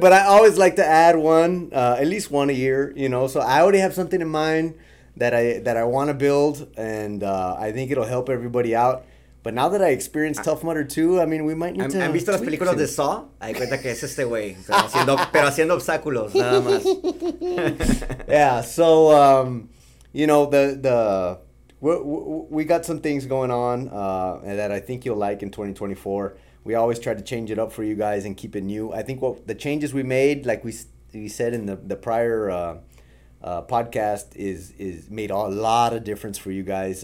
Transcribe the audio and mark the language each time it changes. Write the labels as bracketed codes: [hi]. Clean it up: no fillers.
[en] But I always like to add one, at least one a year, you know. So I already have something in mind that I want to build, and I think it'll help everybody out. But now that I experienced Tough Mudder 2, I mean, we might need to. [es] ¿Han visto las películas de Saw? Hay cuenta que es este güey, pero haciendo obstáculos nada más. [en] Yeah. So you know, the. We got some things going on that I think you'll like in 2024. We always try to change it up for you guys and keep it new. I think what the changes we made, like we said in the prior podcast, is made a lot of difference for you guys.